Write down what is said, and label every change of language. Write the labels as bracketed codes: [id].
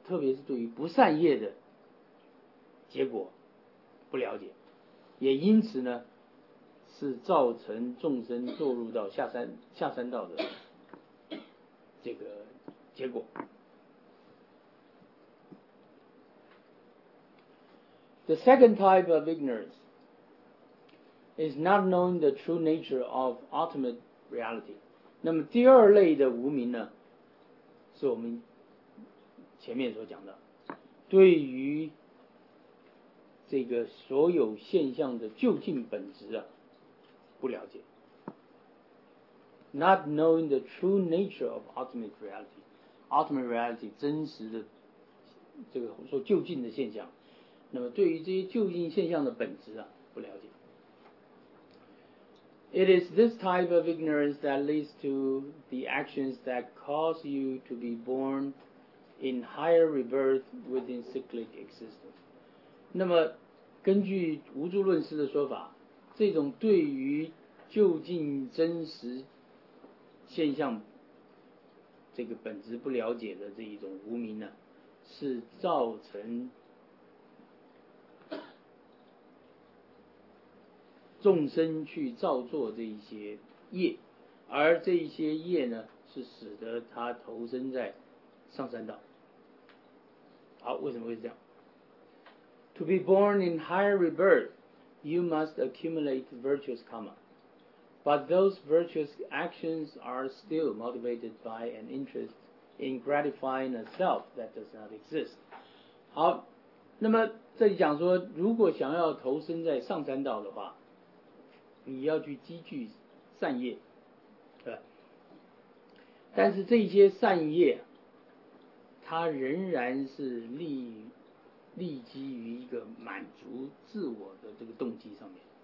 [zh] 特别是对于不善业的结果不了解，也因此呢，是造成众生堕入到下三道的这个结果。 [en] The second type of ignorance is not knowing the true nature of ultimate reality. [zh] 那么第二类的无明呢，是我们前面所讲的，对于这个所有现象的究竟本质啊，不了解。 [en] Not knowing the true nature of ultimate reality. Ultimate reality, [zh] 真实的这个说究竟的现象。那么对于这些究竟现象的本质啊，不了解。 [en] It is this type of ignorance that leads to the actions that cause you to be born in higher rebirth within cyclic existence. [zh] 那么根据无著论师的说法，这种对于究竟真实现象这个本质不了解的这一种无明呢，是造成众生去造作这一些业，而这一些业呢，是使得他投身在上三道。好，为什么会这样 [en] ？To be born in higher rebirth, you must accumulate virtuous karma, but those virtuous actions are still motivated by an interest in gratifying a self that does not exist. [zh] 好，那么这里讲说，如果想要投身在上三道的话，你要去积聚善业，对吧？但是这些善业，它仍然是立基于一个满足自我的这个动机上面。